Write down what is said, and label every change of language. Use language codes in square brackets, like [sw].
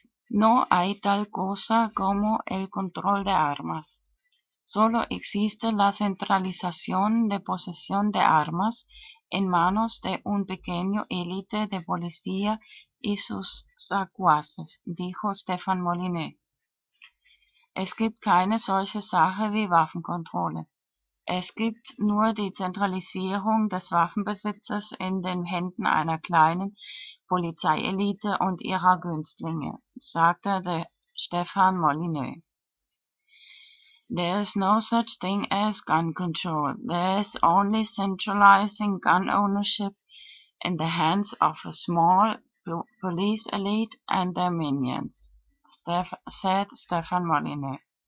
[es] No hay tal cosa como el control de armas. Solo existe la centralización de posesión de armas en manos de un pequeño élite de policía y sus secuaces, dijo Stefan Molyneux. [de] Es gibt keine solche Sache wie Waffenkontrolle. Es gibt nur die Zentralisierung des Waffenbesitzes in den Händen einer kleinen Polizeielite und ihrer Günstlinge, sagte Stefan Molyneux. [en] There is no such thing as gun control. There is only centralizing gun ownership in the hands of a small police elite and their minions, said Stefan Molyneux.